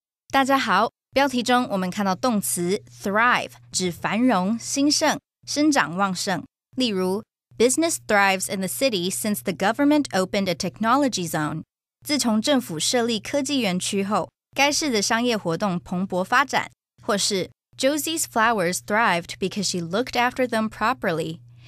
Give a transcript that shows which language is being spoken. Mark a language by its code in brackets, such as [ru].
[zh] 大家好，标题中我们看到动词 thrive 指繁荣、兴盛、生长旺盛。例如 [en] ，business thrives in the city since the government opened a technology zone. [zh] 自从政府设立科技园区后，该市的商业活动蓬勃发展。或是 [en] Josie's flowers thrived because she looked after them properly.